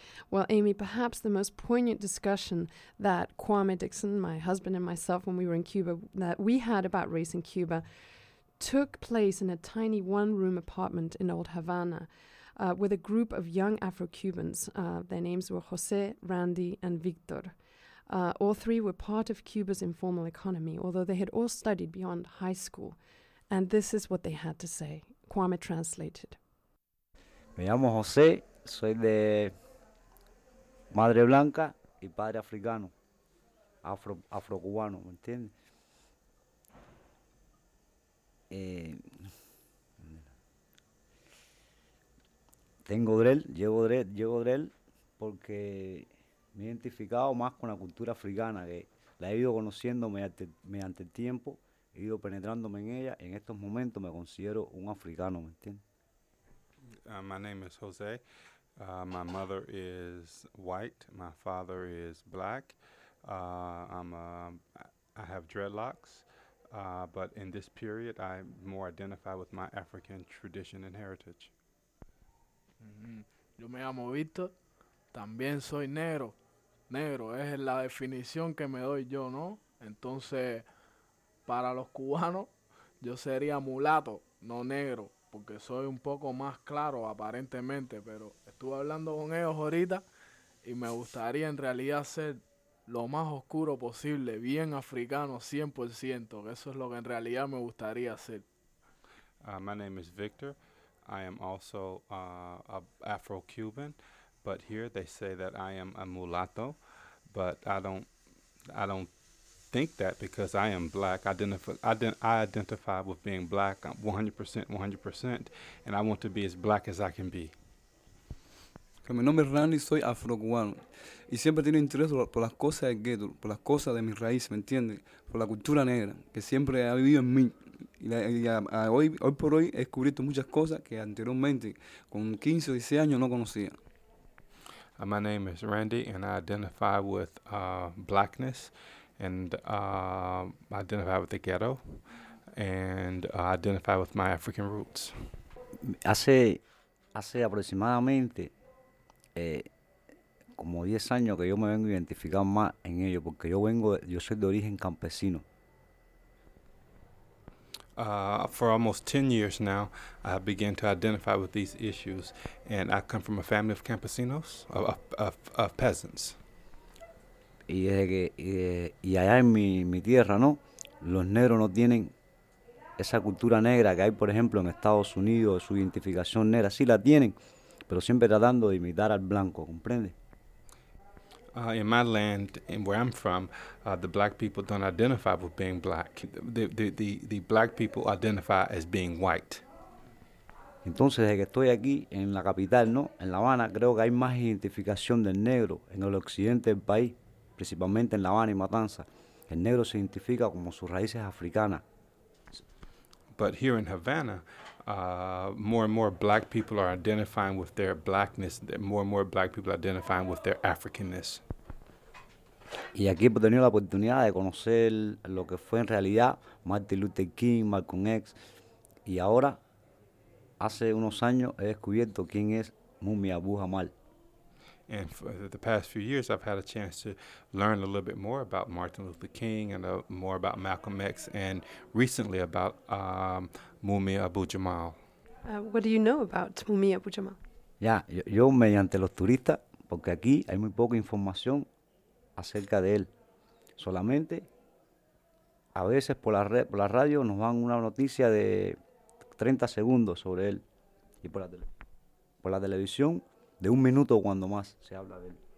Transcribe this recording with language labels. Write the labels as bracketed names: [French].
[English] Well, Amy, perhaps the most poignant discussion that Kwame Dixon, my husband and myself, when we were in Cuba, that we had about race in Cuba took place in a tiny one-room apartment in Old Havana with a group of young Afro-Cubans. Their names were Jose, Randy, and Victor. All three were part of Cuba's informal economy, although they had all studied beyond high school. And this is what they had to say. Kwame translated. [Spanish] Me llamo Jose. Soy de madre blanca y padre africano, afro-cubano, ¿me entiendes? Tengo dread, llevo dread porque me he identificado más con la cultura africana, que la he ido conociendo mediante el tiempo, he ido penetrándome en ella, y en estos momentos me considero un africano, ¿me entiendes? [English] My name is Jose. My mother is white. My father is black. I have dreadlocks, but in this period, I more identify with my African tradition and heritage. [Spanish] Mm-hmm. Yo me llamo Víctor. También soy negro. Negro es la definición que me doy yo, ¿no? Entonces, para los cubanos, yo sería mulato, no negro. Porque soy un poco más claro aparentemente, pero estuve hablando con ellos ahorita y me gustaría en realidad ser lo más oscuro posible, bien africano 100%, que eso es lo que en realidad me gustaría ser. [English] My name is Victor. I am also a Afro-Cuban, but here they say that I am a mulatto, but I don't think that because I am black. I identify with being black 100%, and I want to be as black as I can be. [Spanish] Mi nombre es Randy, soy afro-cubano, y siempre tengo interés por las cosas del ghetto, por las cosas de mis raíces, ¿me entiendes? Por la cultura negra, que siempre ha vivido en mí. Y hoy por hoy he descubierto muchas cosas que anteriormente, con 15 o 16 años, no conocía. [English] My name is Randy, and I identify with blackness. And I identify with the ghetto, and I identify with my African roots. [Spanish] Hace aproximadamente como 10 años que yo me vengo identificando más en ello, porque yo soy de origen campesino. [English] For almost 10 years now, I began to identify with these issues, and I come from a family of campesinos, of peasants. [Spanish] Y allá en mi tierra, ¿no? Los negros no tienen esa cultura negra que hay, por ejemplo, en Estados Unidos, su identificación negra. Sí la tienen, pero siempre tratando de imitar al blanco, ¿comprende? [English] In my land, in where I'm from, the black people don't identify with being black. The black people identify as being white. [Spanish] Entonces, desde que estoy aquí, en la capital, ¿no? En La Habana, creo que hay más identificación del negro en el occidente del país. Principalmente en La Habana y Matanza, el negro se identifica como sus raíces africanas. [English] But here in Havana, more and more black people are identifying with their blackness. More and more black people are identifying with their Africanness. [Spanish] Y aquí he tenido la oportunidad de conocer lo que fue en realidad Martin Luther King, Malcolm X. Y ahora, hace unos años, he descubierto quién es Mumia Abu-Jamal. [English] And for the past few years, I've had a chance to learn a little bit more about Martin Luther King and more about Malcolm X, and recently about Mumia Abu-Jamal. What do you know about Mumia Abu-Jamal? [Spanish] Yeah, yo mediante los turistas, porque aquí hay muy poca información acerca de él. Solamente, a veces por la red, por la radio, nos dan una noticia de 30 segundos sobre él. Y por la televisión, de un minuto cuando más se habla de él.